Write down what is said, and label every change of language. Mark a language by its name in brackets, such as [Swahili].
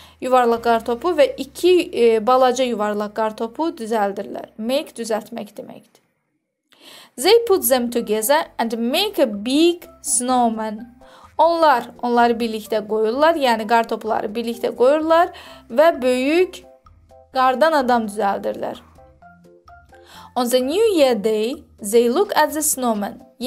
[Azerbaijani] Yuvarlaq qar topu və iki balaca yuvarlaq qar topu düzəldirlər. Make düzəltmək deməkdir. [English] They put them together and make a big snowman. [Azerbaijani] Onlar birlikdə qoyurlar, yəni qar topları birlikdə qoyurlar və böyük qardan adam düzəldirlər. [English] On the new year day, they look at the snowman.